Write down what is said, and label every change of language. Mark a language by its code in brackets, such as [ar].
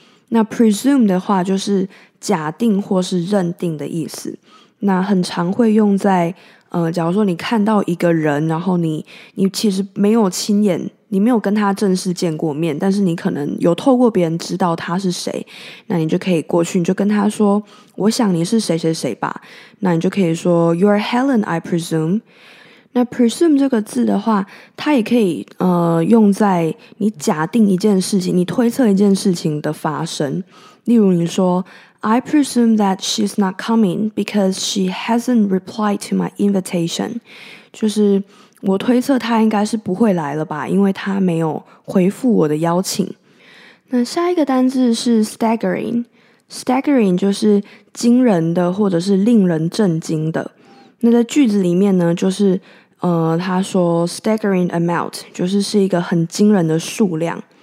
[zh] 那 presume 的话就是假定或是认定的意思，那很常会用在假如说你看到一个人，然后你其实没有亲眼，你没有跟他正式见过面，但是你可能有透过别人知道他是谁，那你就可以过去，你就跟他说，我想你是谁谁谁吧，那你就可以说 [en] You're Helen, I presume。 [zh] 那 presume 这个字的话，它也可以用在你假定一件事情，你推测一件事情的发生。例如你说 [en] I presume that she's not coming because she hasn't replied to my invitation. [zh] 就是我推测她应该是不会来了吧，因为她没有回复我的邀请。那下一个单字是 staggering。staggering 就是惊人的或者是令人震惊的。那在句子里面呢，就是他说 staggering amount， 就是是一个很惊人的数量。